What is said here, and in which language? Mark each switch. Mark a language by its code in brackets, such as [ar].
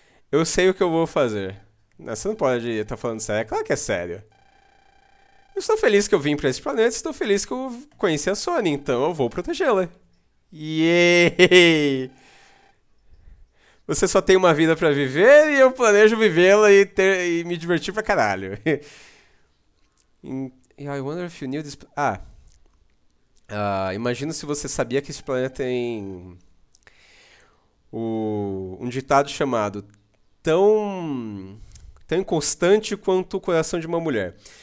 [pt] Eu sei o que eu vou fazer. Você não pode estar falando sério, é claro que é sério. Eu estou feliz que eu vim para esse planeta, estou feliz que eu conheci a Sony, então eu vou protegê-la. Yay! Você só tem uma vida para viver e eu planejo vivê-la e ter e me divertir pra caralho. [en] I wonder if you knew this... [pt] imagino se você sabia que esse planeta tem... um ditado chamado... Tão inconstante quanto o coração de uma mulher.